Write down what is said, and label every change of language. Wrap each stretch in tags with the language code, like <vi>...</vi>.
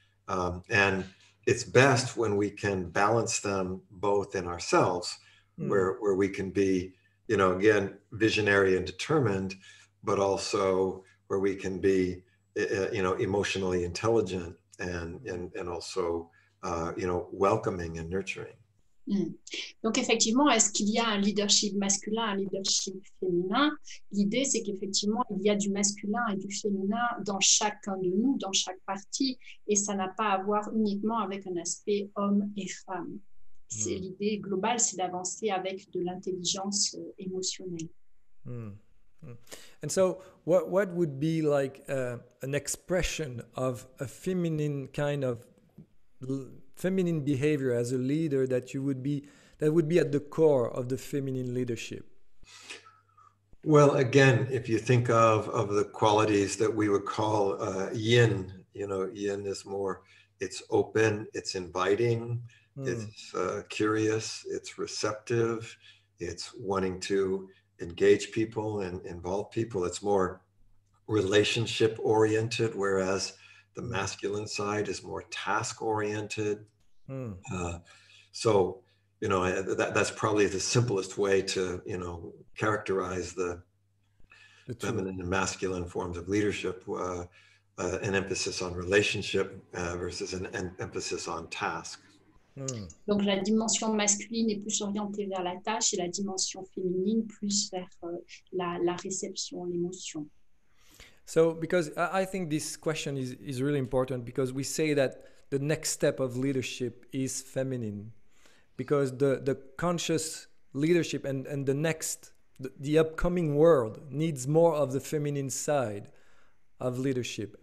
<en>And it's best when we can balance them both in ourselves. Where we can be, you know, again, visionary and determined, but also where we can be, you know, emotionally intelligent and also, you know, welcoming and nurturing. Mm.</en> <fr>Donc effectivement, est-ce qu'il y a un leadership masculin, un leadership féminin? L'idée, c'est qu'effectivement, il y a du masculin et du féminin dans chacun de nous, dans chaque partie, et ça n'a pas à voir uniquement avec un aspect homme et femme. C'est l'idée globale, c'est d'avancer avec de l'intelligence émotionnelle.</fr> <en>And so, what would be like an expression of a feminine kind of feminine behavior as a leader that would be at the core of the feminine leadership? Well, again, if you think of the qualities that we would call yin, you know, yin is more, it's open, it's inviting, it's curious, it's receptive, it's wanting to engage people and involve people. It's more relationship oriented, whereas the masculine side is more task oriented. So, you know, that's probably the simplest way to, you know, characterize the feminine and masculine forms of leadership, an emphasis on relationship versus an emphasis on task.</en> <fr>Donc la dimension masculine est plus orientée vers la tâche et la dimension féminine plus vers la réception, l'émotion.</fr> <en>So, because I think this question is really important, because we say that the next step of leadership is feminine, because the conscious leadership and the next, the upcoming world needs more of the feminine side of leadership.</en>